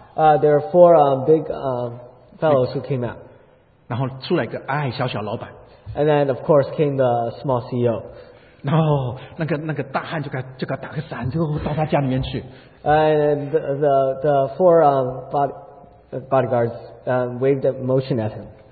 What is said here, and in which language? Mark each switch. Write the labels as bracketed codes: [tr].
[en] There are four big fellows who came out. [zh] 然后出来一个矮矮小小老板。 [en] And then of course came the small CEO. [zh] 然后那个大汉就给他打个伞，就到他家里面去。 [en] And the four bodyguards waved a motion at him.